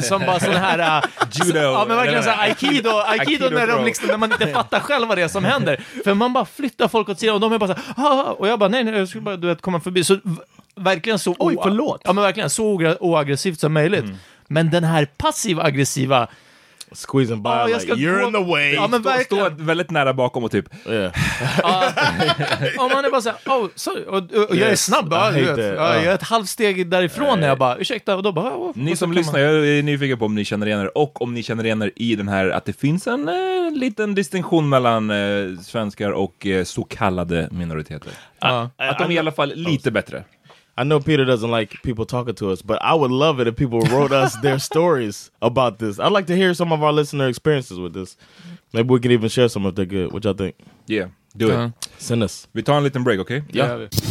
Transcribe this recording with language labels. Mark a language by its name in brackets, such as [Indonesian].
[Swedish] Som bara sån här judo. Ja, men verkligen så här aikido när de liksom, när man inte fattar själv vad det är som händer. För man bara flyttar folk åt sidan och de är bara så här, och jag bara nej, jag skulle bara, du vet, komma förbi. Så verkligen så, oj, förlåt. Ja, men verkligen så oaggressivt som möjligt. Men den här passiv-aggressiva [English] squeezing by, oh, like, you're in the way. [Swedish] Ja, men stå väldigt nära bakom och typ... [English] Yeah. [Swedish] Och man är bara såhär, [English] oh, sorry. [Swedish] Och jag är snabb. Jag är ett halvsteg därifrån när jag bara, ursäkta. Och då bara, oh. Ni som lyssnar, jag är nyfiken på om ni känner igen er. Och om ni känner igen er i den här, att det finns en liten distinktion mellan svenskar och så kallade minoriteter. Att de är i alla fall lite bättre. [English] I know Peter doesn't like people talking to us, but I would love it if people wrote us their stories about this. I'd like to hear some of our listener experiences with this. Maybe we can even share some of the good. What y'all think? Yeah, do it. Send us. [Swedish] Vi tar en liten break, okay? [English] Yeah.